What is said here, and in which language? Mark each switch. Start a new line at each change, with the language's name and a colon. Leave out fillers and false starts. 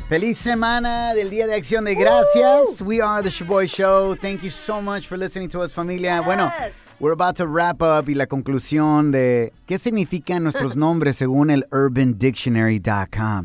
Spanish: Feliz semana del Día de Acción de Gracias.
English: Woo. We are the Shaboy Show. Thank you so much for listening to us, familia. Yes.
Spanish: Bueno.
English: We're about to wrap up
Spanish: y la conclusión de qué significan nuestros nombres según el UrbanDictionary.com.